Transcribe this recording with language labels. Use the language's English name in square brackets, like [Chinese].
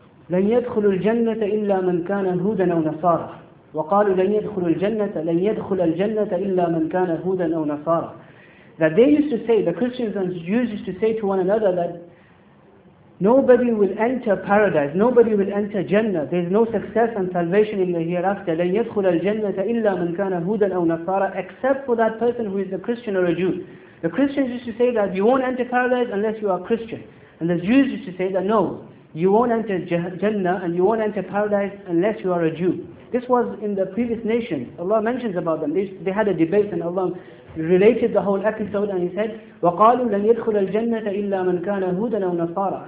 [Arabic] لن يدخل الجنة إلا من كان هودا أو نصارى. وقالوا لن يدخل الجنة إلا من كان هودا أو نصارى. [English] That they used to say, the Christians and Jews used to say to one another that nobody will enter paradise, nobody will enter Jannah. There is no success and salvation in the hereafter. [Arabic] لن يدخل الجنة إلا من كان هودا أو نصارى. [English] Except for that person who is a Christian or a Jew. The Christians used to say that you won't enter paradise unless you are Christian. And the Jews used to say that no, you won't enter Jannah and you won't enter paradise unless you are a Jew. This was in the previous nation. Allah mentions about them. They had a debate and Allah related the whole episode and He said, [Arabic] وَقَالُوا لَنْ يَدْخُلَ الْجَنَّةَ إِلَّا مَنْ كَانَ هُودًا أَوْ نَصَارًا.